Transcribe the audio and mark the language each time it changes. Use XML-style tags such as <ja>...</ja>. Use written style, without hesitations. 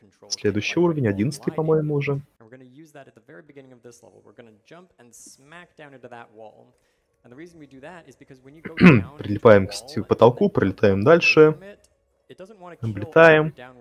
<ru>Следующий уровень, 11-й, по-моему, уже.</ru> <en>We're going to use that at the very beginning of this level. We're going to jump and smack down into that wall. And the reason we do that is because when you go down.</en> <ru>Прилипаем к потолку, пролетаем дальше. Облетаем.</ru>